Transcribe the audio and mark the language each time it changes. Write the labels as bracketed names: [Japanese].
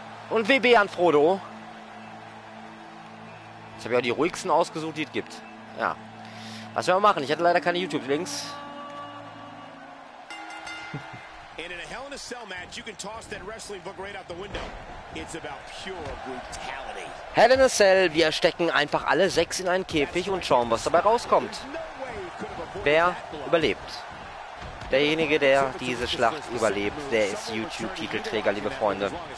[German] Und WB an Frodo. Jetzt habe ich auch die ruhigsten ausgesucht, die es gibt. Ja. Was werden wir machen? Ich hatte leider keine YouTube-Links. [English] And in a Hell in a Cell match, you can toss that wrestling book right out the window. It's about pure brutality. [German] Hell in a Cell, wir stecken einfach alle sechs in einen Käfig und schauen, was dabei rauskommt. Wer überlebt? Derjenige, der diese Schlacht überlebt, der ist YouTube-Titelträger, liebe Freunde.